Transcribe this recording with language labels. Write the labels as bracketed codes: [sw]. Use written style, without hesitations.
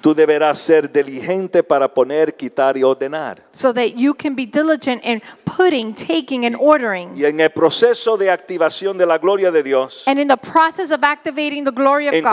[es] tú deberás ser diligente para poner, quitar y ordenar. [en] So that you can be diligent in putting, taking, and ordering. [es] Y en el proceso de activación de la gloria de Dios, [en] and in the process of activating the glory of God,